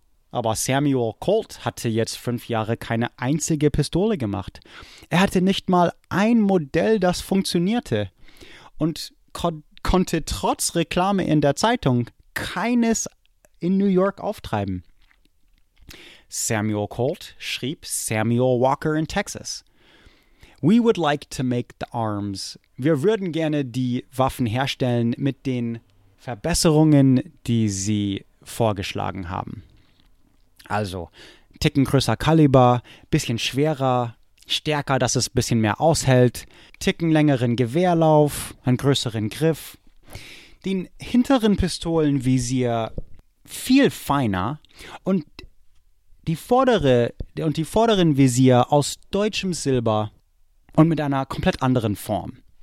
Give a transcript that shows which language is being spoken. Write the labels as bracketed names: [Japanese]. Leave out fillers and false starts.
[German] Aber Samuel Colt hatte jetzt 5 Jahre keine einzige Pistole gemacht. Er hatte nicht mal ein Modell, das funktionierte und konnte trotz Reklame in der Zeitung keines in New York auftreiben. Samuel Colt schrieb Samuel Walker in Texas: [English] "We would like to make the arms." [German] Wir würden gerne die Waffen herstellen mit den Verbesserungen, die sie vorgeschlagen haben. Also, Ticken größer Kaliber, bisschen schwerer, stärker, dass es bisschen mehr aushält, Ticken längeren Gewehrlauf, einen größeren Griff, den hinteren Pistolenvisier viel feiner und die vorderen Visier aus deutschem Silber und mit einer komplett anderen Form.